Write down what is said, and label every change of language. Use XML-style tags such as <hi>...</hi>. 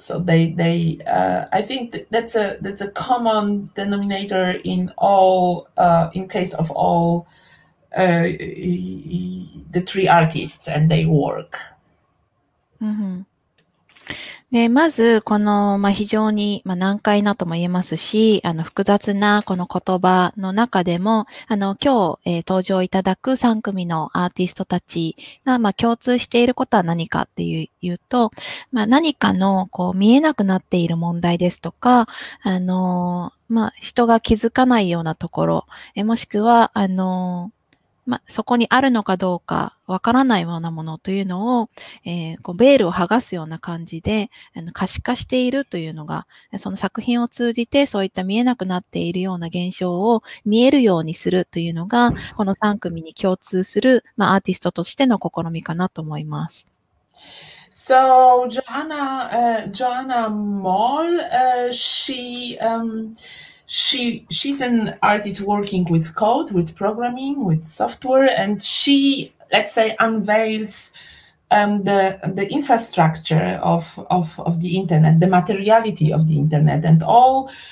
<en>So they I think that's a common denominator in all in case of all the three artists and their work. Mm-hmm.</en> <ja>でまず、この、まあ、非常に、まあ、難解なとも言えますし、複雑なこの言葉の中でも、今日、登場いただく3組のアーティストたちが、まあ、共通していることは何かっていうと、まあ、何かの、こう、見えなくなっている問題ですとか、まあ、人が気づかないようなところ、もしくは、まあ、そこにあるのかどうかわからないようなものというのを、こうベールを剥がすような感じで可視化しているというのが、その作品を通じてそういった見えなくなっているような現象を見えるようにするというのが、この3組に共通する、まあ、アーティストとしての試みかなと思います。</ja> <en>So, Joana Moll, she's an artist working with code, with programming, with software, and she, let's say, unveils the infrastructure of the internet, the materiality of the internet, and all</en>